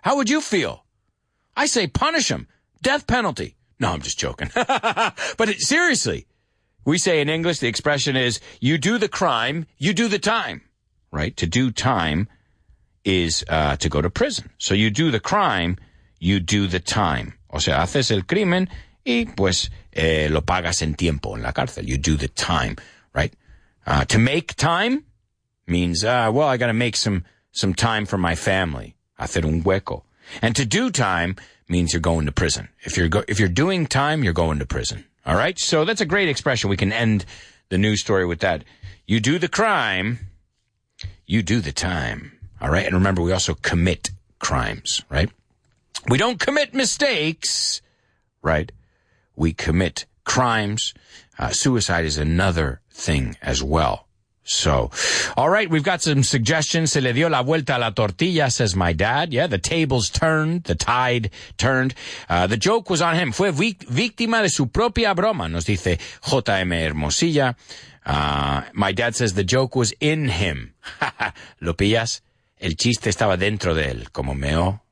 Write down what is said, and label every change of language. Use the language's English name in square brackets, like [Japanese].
[English] How would you feel? I say punish him. Death penalty. No, I'm just joking. But seriously, we say in English, the expression is you do the crime, you do the time. Right? To do time is to go to prison. So you do the crime, you do the time. [Spanish] O sea, haces el crimen y pues lo pagas en tiempo en la cárcel. [English] You do the time, right? To make time means, I got to make some time for my family. [Spanish] Hacer un hueco. [English] And to do time means you're going to prison. If you're doing time, you're going to prison. All right? So that's a great expression. We can end the news story with that. You do the crime, you do the time, all right? And remember, we also commit crimes, right? We don't commit mistakes, right? We commit crimes. Suicide is another thing as well. So, all right, we've got some suggestions. [Spanish] Se le dio la vuelta a la tortilla, [English] says my dad. Yeah, the tables turned, the tide turned. The joke was on him. [Spanish] Fue víctima de su propia broma, nos dice J.M. Hermosilla. [English] My dad says the joke was in him. [Spanish] ¿Lo pillas? El chiste estaba dentro de él, como meo.